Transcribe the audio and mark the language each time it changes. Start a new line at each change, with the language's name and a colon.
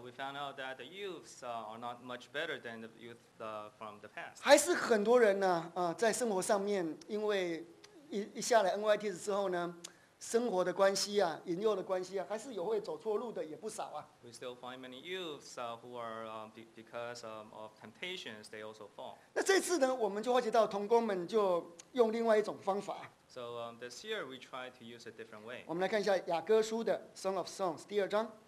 English: we found out that the youths are not much better than the youth from the past.
Chinese: 还是很多人呢，在生活上面，因为一下来 NYTS 之后呢，生活的关系啊，引诱的关系啊，还是有会走错路的，也不少啊。
English: We still find many youths who are because of temptations they also fall.
Chinese: 那这次呢，我们就会觉得同工们就用另外一种方法。
English: So this year we try to use a different way.
Chinese: 我们来看一下雅各书的 Song of Songs 第二章。